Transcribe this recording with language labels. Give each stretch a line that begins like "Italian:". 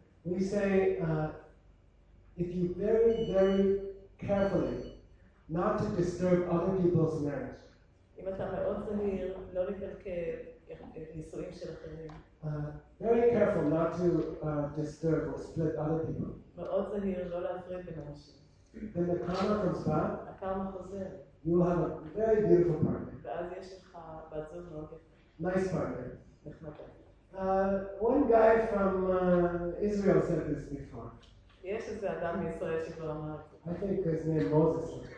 English: we say if you very, very carefully not to disturb other people's marriage.
Hebrew: אם אתה מאוד זהיר, לא לקלקל נישואים של אחרים.
English: Very careful not to disturb or split other people.
Hebrew: מאוד זהיר לא להפריד בין אנשים.
English: Then the karma comes back.
Hebrew: הקרמה חוזר.
English: You will have a very beautiful partner.
Hebrew: ואז יש לך בת זוג מאוד יפה.
English: Nice partner.
Hebrew: נחמדה.
English: One guy from Israel said this before. Yes, it's a guy from Israel who said it. I think his name is Moses.